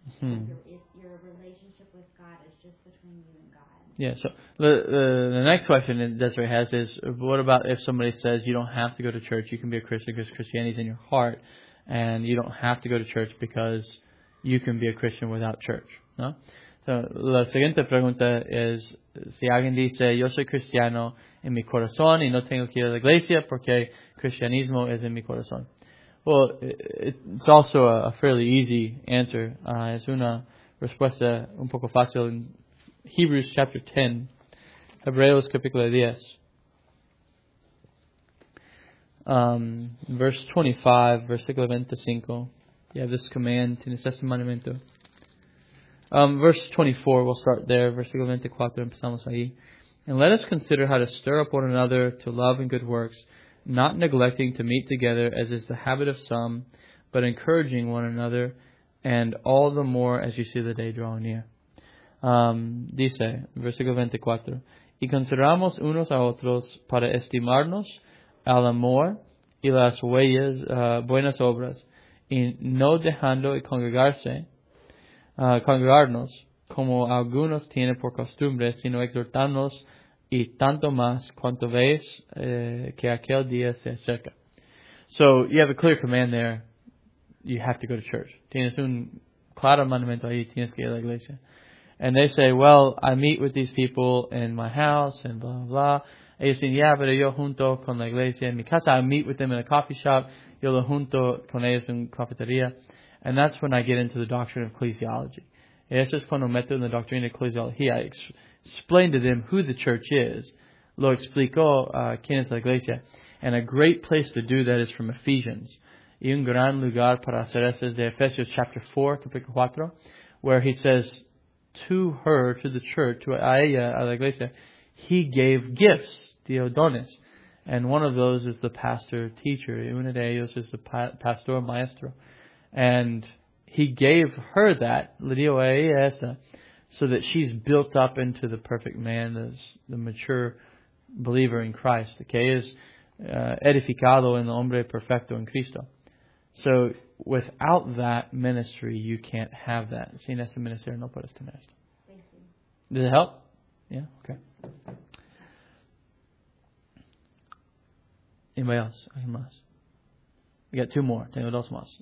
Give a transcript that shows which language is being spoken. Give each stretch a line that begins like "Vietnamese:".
English: If your relationship with God is just between you and God. Yeah, so the next question Desiree has is, what about if somebody says you don't have to go to church, you can be a Christian because Christianity is in your heart, and you don't have to go to church because you can be a Christian without church, ¿no?
Spanish: So la siguiente pregunta es, si alguien dice, yo soy cristiano en mi corazón y no tengo que ir a la iglesia porque cristianismo es en mi corazón.
English: Well, it's also a fairly easy answer.
Spanish: Es una respuesta un poco fácil. En
English: Hebrews chapter 10,
Spanish: Hebreos capítulo 10,
English: verse 25,
Spanish: versículo 25.
English: You have this command,
Spanish: tienes este mandamiento.
English: Verse 24, we'll start there,
Spanish: versículo 24, empezamos ahí.
English: And let us consider how to stir up one another to love and good works, not neglecting to meet together as is the habit of some, but encouraging one another, and all the more as you see the day drawing near.
Spanish: Dice, versículo 24, y consideramos unos a otros para estimarnos al amor y las huellas, buenas obras, y no dejando de congregarnos como algunos tienen por costumbre, sino exhortarnos y tanto más cuanto veis que aquel día se acerca.
English: So you have a clear command there. You have to go to church.
Spanish: Tienes un claro mandamiento ahí, tienes que ir a la iglesia.
English: And they say, well, I meet with these people in my house and blah, blah, blah.
Spanish: Ellos dicen, yeah, pero yo junto con la iglesia en mi casa.
English: I meet with them in a coffee shop.
Spanish: yo lo junto con ellos en cafetería.
English: And that's when I get into the doctrine of ecclesiology.
Spanish: Eso es cuando meto en la doctrina de ecclesiología.
English: I explain to them who the church is.
Spanish: Lo explico quién es la iglesia.
English: And a great place to do that is from Ephesians.
Spanish: Y un gran lugar para hacer eso es de
English: Ephesians chapter 4,
Spanish: capítulo 4,
English: where he says to her, to the church,
Spanish: to a ella, a la iglesia,
English: he gave gifts,
Spanish: dio dones.
English: And one of those is the pastor teacher.
Spanish: Y uno de ellos es
English: the pastor maestro. And he gave her that,
Spanish: le dio a ella esa,
English: so that she's built up into the perfect man, the mature believer in Christ.
Spanish: Okay, is edificado en el hombre perfecto en Cristo.
English: So without that ministry, you can't have that.
Spanish: Sin ese ministerio no puedes tener esto.
English: Thank you. Does it help? Yeah. Okay. Anybody else?
Spanish: ¿Alguien más?
English: We got two more.
Spanish: Tengo dos más.